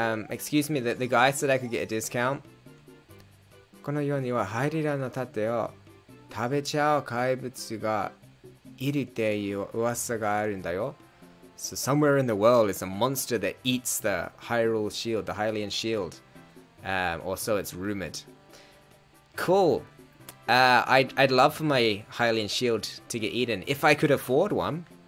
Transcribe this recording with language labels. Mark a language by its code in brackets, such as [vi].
[en] Excuse me, the guy said I could get a discount. [ja] このようにはハイリラの盾を食べちゃう怪物がいるっていう噂があるんだよ。 [en] So somewhere in the world is a monster that eats the Hyrule shield, the Hylian shield. Or so it's rumored. Cool. I'd love for my Hylian shield to get eaten if I could afford one.